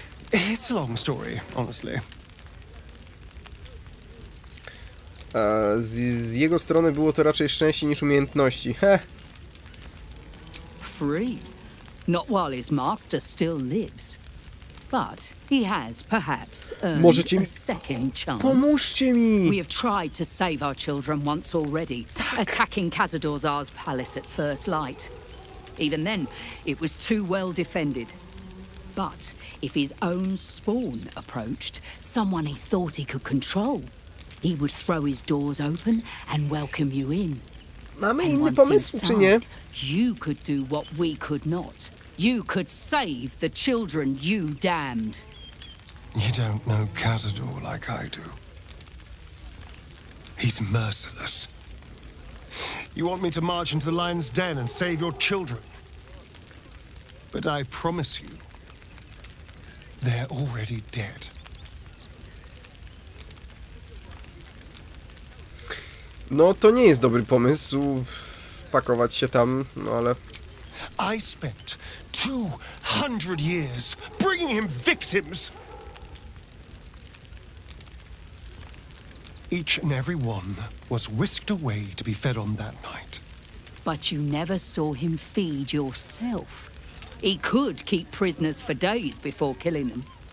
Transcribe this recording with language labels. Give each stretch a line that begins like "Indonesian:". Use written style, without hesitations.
English: It's a long story, honestly.
Polish: Z jego strony było to raczej szczęście niż umiejętności. Heh.
English: Free. Not while his master still lives. But he has perhaps earned a second chance.
Polish: Pomóżcie mi!
English: We have tried to save our children once already, attacking Khazad-dûr-Zâr's palace at first light. Even then, it was too well defended. But if his own spawn approached, someone he thought he could control, he would throw his doors open and welcome you in.
Polish: Mamy inny pomysł, czy nie?
English: You could do what we could not. You could save the children you damned. You don't know Khazad-dûr like I do. He's merciless. You want me to march into the lion's den and save your children? But I promise you, they're already dead.
Polish: No, to nie jest dobry pomysł pakować się tam, no ale...
English: I spent 200 years bringing him victims. Each and every one was whisked away to be fed on that night. But you never saw him feed yourself. He could keep prisoners for days before killing them.